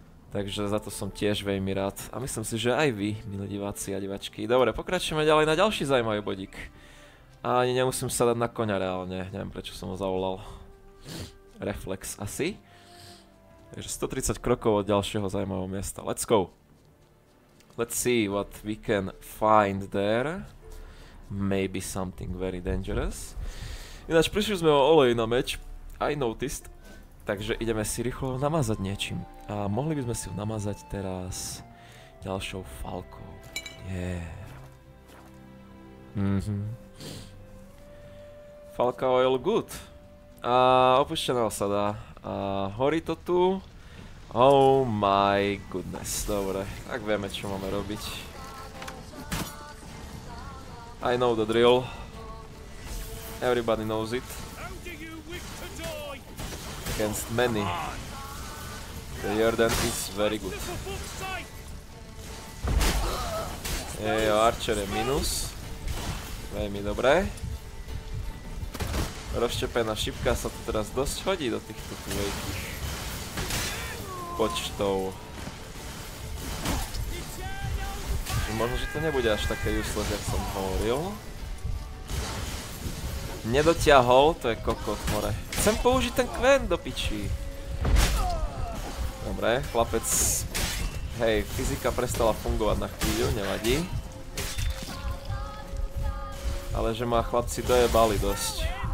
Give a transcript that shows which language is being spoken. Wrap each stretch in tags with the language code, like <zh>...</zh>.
<sk>Takže za to som tiež veľmi rád. A myslím si, že aj vy, milí diváci a divačky. Dobre, pokračujeme ďalej na ďalší zaujímavý bodík. A ani nemusím sadať na koňa reálne, neviem prečo som ho zavolal. Reflex asi. Takže 130 krokov od ďalšieho zaujímavého miesta,</sk> <en>let's go. Let's see what we can find there. Maybe something very dangerous.</en> <sk>Ináč prišli sme o olej na meč,</sk> <en>I noticed.</en> <sk>Takže ideme si rýchlo namazať niečím. A mohli by sme si ho namazať teraz ďalšou falkou.</sk> <en>Yeah. Mhm. Falka oil good.</en> <sk>A opuštená osada. A horí to tu.</sk> <en>Oh my goodness.</en> <sk>Dobre, tak vieme čo máme robiť.</sk> <en>I know the drill. Everybody knows it. Against many. The Jordan is very good.</en> <sk>Jo, Archer je minus. Veľmi dobré. Rozštepená šipka sa tu teraz dosť hodí do týchto veľkých počtov. Možno, že to nebude až také useless, jak som hovoril. Nedotiahol, to je kokot, more. Chcem použiť ten kven do piči. Dobre, chlapec. Hej, fyzika prestala fungovať na chvíľu, nevadí. Ale že ma chlapci dojebali dosť.</sk>